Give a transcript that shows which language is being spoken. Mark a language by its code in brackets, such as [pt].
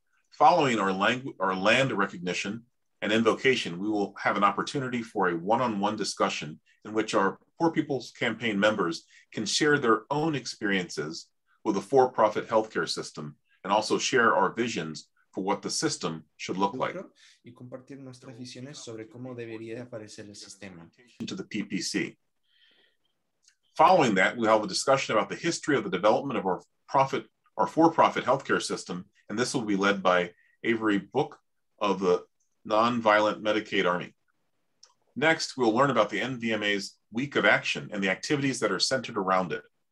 [en] Following our land recognition and invocation, we will have an opportunity for a one-on-one discussion in which our Poor People's Campaign members can share their own experiences with the for-profit healthcare system and also share our visions for what the system should look like. [es] Y compartir nuestras visiones sobre cómo debería aparecer el sistema. [en] To the PPC. Following that, we have a discussion about the history of the development of our for-profit healthcare system, and this will be led by Avery Book of the Nonviolent Medicaid Army. Next, we'll learn about the NVMA's Week of Action and the activities that are centered around it.